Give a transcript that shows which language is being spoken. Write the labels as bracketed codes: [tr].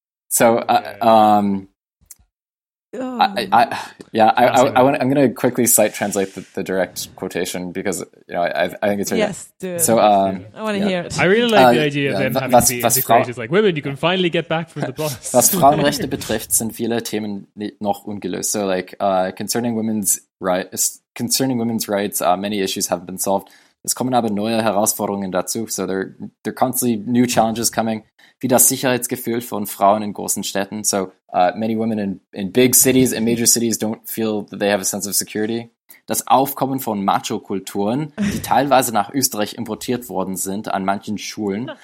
[en] So, I'm going to quickly cite translate the direct quotation because you know I think it's very yes, do so. I want to hear it. I really like the idea of them having to be integrated. Like women, you can finally get back from the boss. [de] Was Frauenrechte betrifft, sind viele Themen noch ungelöst. [en] So, like concerning women's rights, many issues haven't been solved. [de] Es kommen aber neue Herausforderungen dazu. [en] So there are constantly new challenges coming. [de] Wie das Sicherheitsgefühl von Frauen in großen Städten. [en] So many women in big cities, in major cities, don't feel that they have a sense of security. [de] Das Aufkommen von Macho-Kulturen, die teilweise nach Österreich importiert worden sind an manchen Schulen.